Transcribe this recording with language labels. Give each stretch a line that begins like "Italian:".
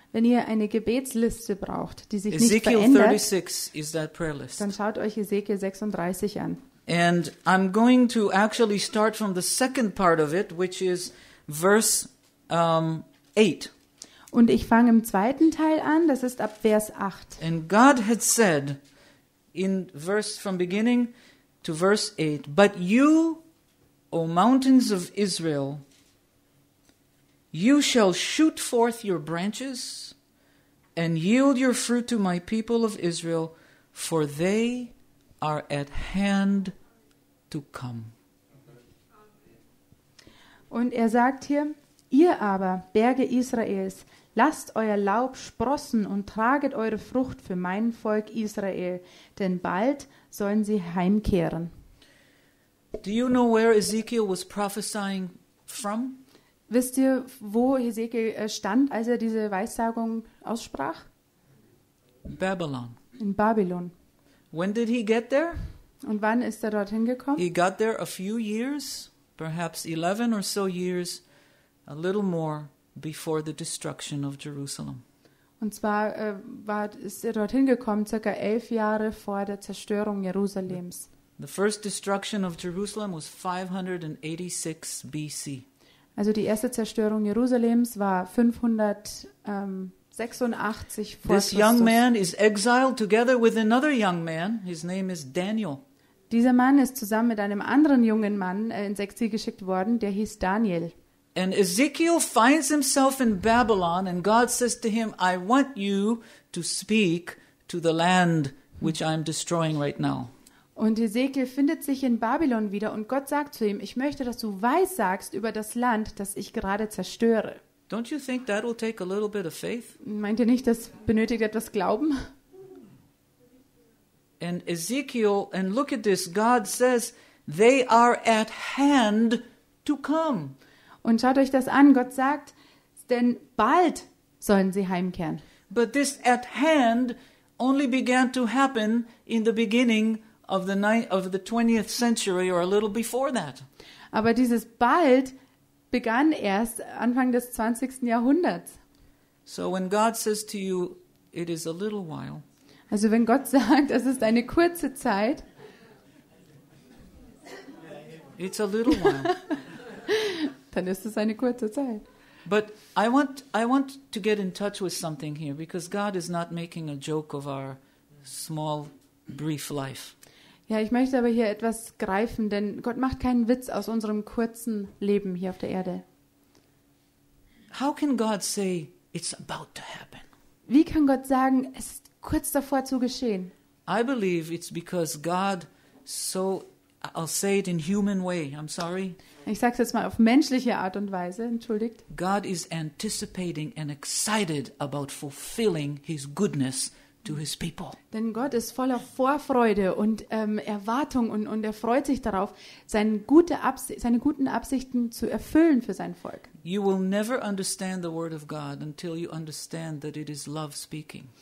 German: Wenn ihr eine Gebetsliste braucht, die sich Ezekiel nicht verändert,
English: 36 is that prayer list.
German: Dann schaut euch Ezekiel 36 an.
English: And I'm going to actually start from the second part of it, which is verse 8.
German: Und ich fange im zweiten Teil an, das ist ab Vers 8.
English: And God had said in verse from beginning to verse 8, but you, O mountains of Israel, you shall shoot forth your branches and yield your fruit to my people of Israel, for they are at hand to come.
German: Und er sagt hier, ihr aber, Berge Israels, lasst euer Laub sprossen und traget eure Frucht für mein Volk Israel, denn bald sollen sie heimkehren.
English: Do you know where Ezekiel was prophesying from?
German: Wisst ihr, wo Ezekiel stand, als er diese Weissagung aussprach?
English: Babylon.
German: In Babylon.
English: When did he get there?
German: Und wann ist er dorthin gekommen?
English: He got there a few years, perhaps 11 or so years, a little more before the destruction of Jerusalem.
German: Und zwar ist er dorthin gekommen, circa 11 Jahre vor der Zerstörung Jerusalems.
English: The first destruction of Jerusalem was 586 BC.
German: Also die erste Zerstörung Jerusalems war 586 vor Christus.
English: This young man is exiled together with another young man. His name is Daniel.
German: Dieser Mann ist zusammen mit einem anderen jungen Mann ins Exil geschickt worden, der hieß Daniel.
English: And Ezekiel finds himself in Babylon and God says to him, I want you to speak to the land which I'm destroying right now.
German: Und Ezekiel findet sich in Babylon wieder und Gott sagt zu ihm, ich möchte, dass du weissagst über das Land, das ich gerade zerstöre.
English: Don't you think that will take a little bit of faith?
German: Meint ihr nicht, das benötigt etwas Glauben?
English: And Ezekiel, and look at this, God says, they are at hand to come.
German: Und schaut euch das an, Gott sagt, denn bald sollen sie heimkehren.
English: But this at hand only began to happen in the beginning of the 20th century or a little before that.
German: Aber dieses bald begann erst Anfang des 20. Jahrhunderts.
English: So when God says to you it is a little while.
German: Also wenn Gott sagt, es ist eine kurze Zeit.
English: It's a little while.
German: Dann ist es eine kurze Zeit.
English: But I want to get in touch with something here because God is not making a joke of our small brief life.
German: Ja, ich möchte aber hier etwas greifen, denn Gott macht keinen Witz aus unserem kurzen Leben hier auf der Erde.
English: How can God say it's about to happen?
German: Wie kann Gott sagen, es ist kurz davor zu geschehen?
English: I believe it's because God so I'll say it in human way. I'm sorry.
German: Ich sag's jetzt mal auf menschliche Art und Weise, entschuldigt.
English: God is anticipating and excited about fulfilling his goodness. To his people.
German: Denn Gott ist voller Vorfreude und Erwartung und er freut sich darauf, seine guten Absichten zu erfüllen für sein Volk.
English: You will never understand the word of God until you understand that it is love speaking.